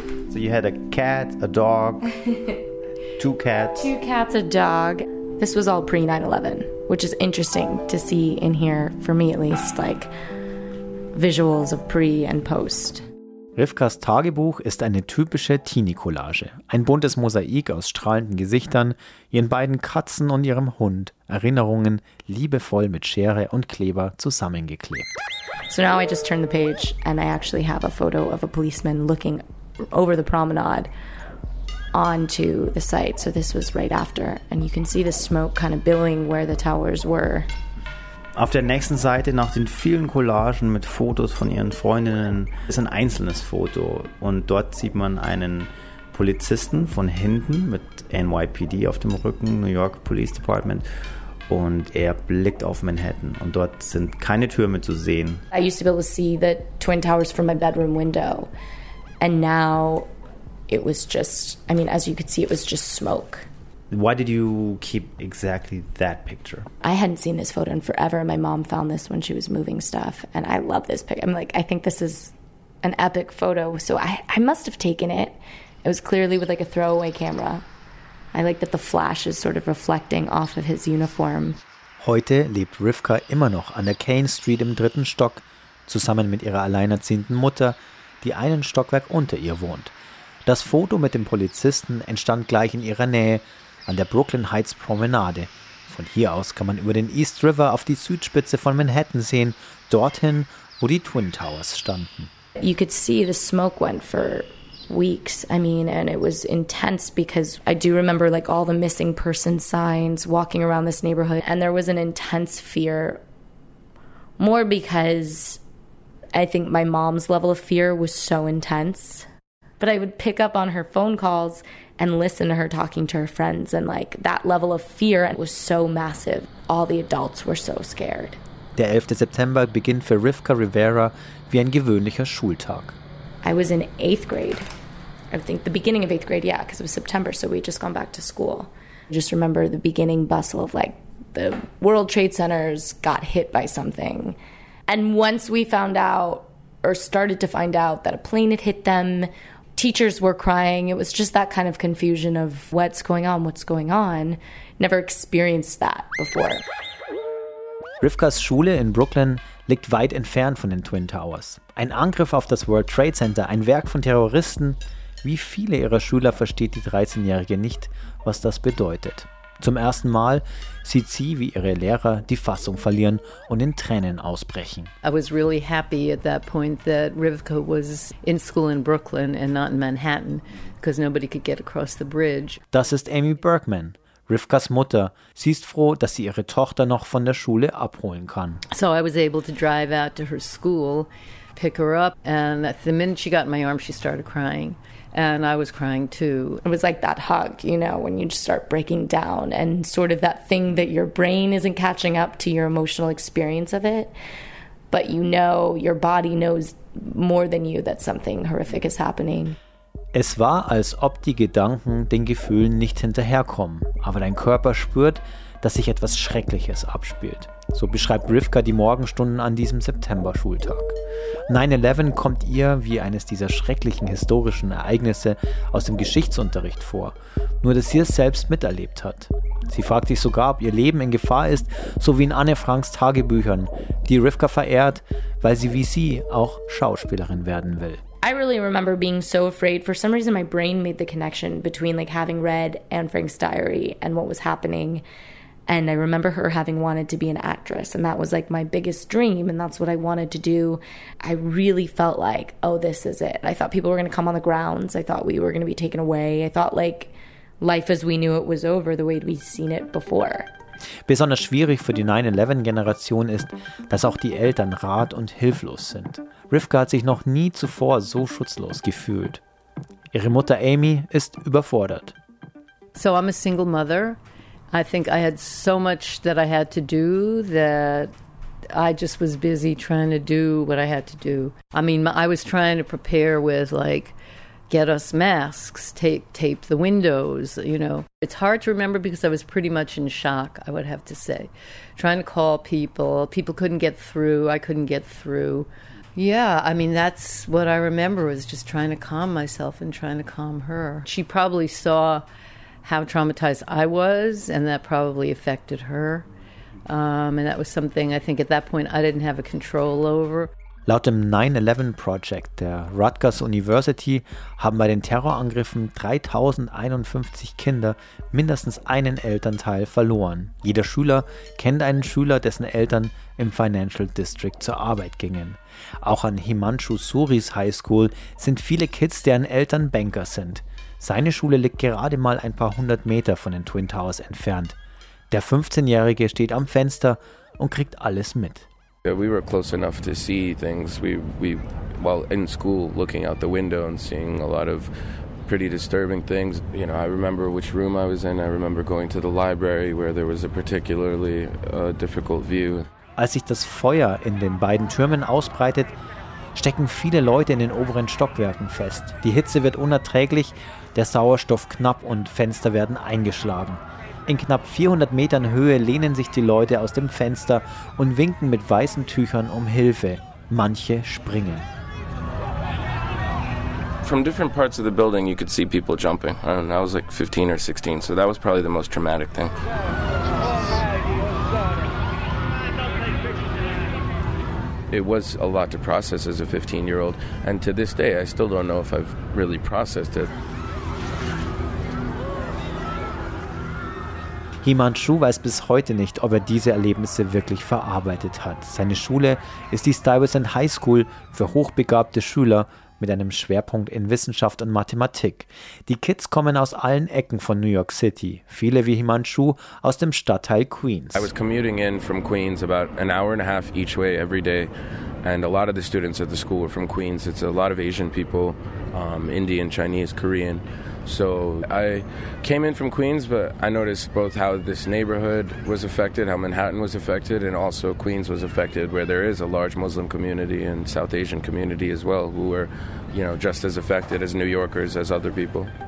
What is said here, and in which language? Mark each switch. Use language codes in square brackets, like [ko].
[en] So you had a cat, a dog, two cats. Two cats, a dog. This was all pre-9/11, which is interesting to see in here, for me at least, like visuals of pre and post. [de] Rivkas Tagebuch ist eine typische Teenie-Collage. Ein buntes Mosaik aus strahlenden Gesichtern, ihren beiden Katzen und ihrem Hund. Erinnerungen liebevoll mit Schere und Kleber zusammengeklebt. [en] So now I just turn the page and I actually have a photo of a policeman looking over the promenade onto the site. So this was right after. And you can see the smoke kind of billowing where the towers were. [de] Auf der nächsten Seite, nach den vielen Collagen mit Fotos von ihren Freundinnen, ist ein einzelnes Foto. Und dort sieht man einen Polizisten von hinten mit NYPD auf dem Rücken, New York Police Department. Und er blickt auf Manhattan. Und dort sind keine Türme zu sehen. [en] I used to be able to see the Twin Towers from my bedroom window. And now it was just, I mean, as you could see, it was just smoke. Why did you keep exactly that picture? I hadn't seen this photo in forever. My mom found this when she was moving stuff. And I love this picture. I'm like, I think this is an epic photo. So I must have taken it. It was clearly with like a throwaway camera. I like that the flash is sort of reflecting off of his uniform. [de] Heute lebt Rivka immer noch an der Kane Street im dritten Stock, zusammen mit ihrer alleinerziehenden Mutter, die einen Stockwerk unter ihr wohnt. Das Foto mit dem Polizisten entstand gleich in ihrer Nähe, an der Brooklyn Heights Promenade. Von hier aus kann man über den East River auf die Südspitze von Manhattan sehen, dorthin, wo die Twin Towers standen. [en] You could see the smoke went for weeks. I mean, and it was intense because I do remember like all the missing person signs walking around this neighborhood. And there was an intense fear, more because I think my mom's level of fear was so intense. But I would pick up on her phone calls and listen to her talking to her friends, and like that level of fear was so massive. All the adults were so scared. [de] Der 11. September beginnt für Rivka Rivera wie ein gewöhnlicher Schultag. [en] I was in 8th grade. I think the beginning of 8th grade, yeah, because it was September, so we'd just gone back to school. I just remember the beginning bustle of like the World Trade Centers got hit by something. And once we found out, or started to find out, that a plane had hit them, teachers were crying. It was just that kind of confusion of what's going on, never experienced that before. [de] Rivkas Schule in Brooklyn liegt weit entfernt von den Twin Towers. Ein Angriff auf das World Trade Center, ein Werk von Terroristen. Wie viele ihrer Schüler versteht die 13-Jährige nicht, was das bedeutet? Zum ersten Mal sieht sie, wie ihre Lehrer die Fassung verlieren und in Tränen ausbrechen. [en] I was really happy at that point that Rivka was in school in Brooklyn and not in Manhattan, because nobody could get across the bridge. [de] Das ist Amy Bergman, Rivkas Mutter. Sie ist froh, dass sie ihre Tochter noch von der Schule abholen kann. [en] So I was able to drive out to her school, pick her up, and the minute she got in my arm, she started crying. And I was crying too. It was like that hug, you know, when you just start breaking down and sort of that thing that your brain isn't catching up to your emotional experience of it. But you know, your body knows more than you that something horrific is happening. [de] Es war, als ob die Gedanken den Gefühlen nicht hinterherkommen. Aber dein Körper spürt, dass sich etwas Schreckliches abspielt. So beschreibt Rivka die Morgenstunden an diesem September-Schultag. 9/11 kommt ihr wie eines dieser schrecklichen historischen Ereignisse aus dem Geschichtsunterricht vor, nur dass sie es selbst miterlebt hat. Sie fragt sich sogar, ob ihr Leben in Gefahr ist, so wie in Anne Franks Tagebüchern, die Rivka verehrt, weil sie wie sie auch Schauspielerin werden will. [en] I really remember being so afraid. For some reason my brain made the connection between like having read Anne Frank's diary and what was happening. And I remember her having wanted to be an actress, and that was like my biggest dream, and that's what I wanted to do. I really felt like, oh, this is it. I thought people were going to come on the grounds. I thought we were going to be taken away. I thought like life as we knew it was over, the way we'd seen it before. [de] Besonders schwierig für die 9-11-Generation ist, dass auch die Eltern rat- und hilflos sind. Rivka hat sich noch nie zuvor so schutzlos gefühlt. Ihre Mutter Amy ist überfordert. [en] So I'm a single mother. I think I had so much that I had to do that I just was busy trying to do what I had to do. I mean, I was trying to prepare with like get us masks, tape the windows, you know. It's hard to remember because I was pretty much in shock, I would have to say. Trying to call people. People couldn't get through. I couldn't get through. Yeah, I mean, that's what I remember, was just trying to calm myself and trying to calm her. She probably saw how traumatized I was, and that probably affected her. And that was something I think at that point I didn't have a control over. [de] Laut dem 9-11-Project der Rutgers University haben bei den Terrorangriffen 3051 Kinder mindestens einen Elternteil verloren. Jeder Schüler kennt einen Schüler, dessen Eltern im Financial District zur Arbeit gingen. Auch an Himanshu Suri's High School sind viele Kids, deren Eltern Banker sind. Seine Schule liegt gerade mal ein paar hundert Meter von den Twin Towers entfernt. Der 15-Jährige steht am Fenster und kriegt alles mit. [en] Yeah, we were close enough to see things. While in school, looking out the window and seeing a lot of pretty disturbing things. You know, I remember which room I was in. I remember going to the library where there was a particularly difficult view. [de] Als sich das Feuer in den beiden Türmen ausbreitet, stecken viele Leute in den oberen Stockwerken fest. Die Hitze wird unerträglich, der Sauerstoff knapp und Fenster werden eingeschlagen. In knapp 400 Metern Höhe lehnen sich die Leute aus dem Fenster und winken mit weißen Tüchern um Hilfe. Manche springen. [en] From different parts of the building you could see people jumping. I don't know, I was like 15 or 16, so that was probably the most traumatic thing. It was a lot to process as a 15-year-old, and to this day I still don't know if I've really processed it. [de] Himanshu weiß bis heute nicht, ob er diese Erlebnisse wirklich verarbeitet hat. Seine Schule ist die Stuyvesant High School für hochbegabte Schüler mit einem Schwerpunkt in Wissenschaft und Mathematik. Die Kids kommen aus allen Ecken von New York City, viele wie Himanshu aus dem Stadtteil Queens. [en] I was commuting in from Queens about an hour and a half each way every day, and a lot of the students at the school were from Queens. It's a lot of Asian people, Indian, Chinese, Korean. So I came in from Queens, but I noticed both how this neighborhood was affected, how Manhattan was affected, and also Queens was affected, where there is a large Muslim community and South Asian community as well, who were, you know, just as affected as New Yorkers, as other people.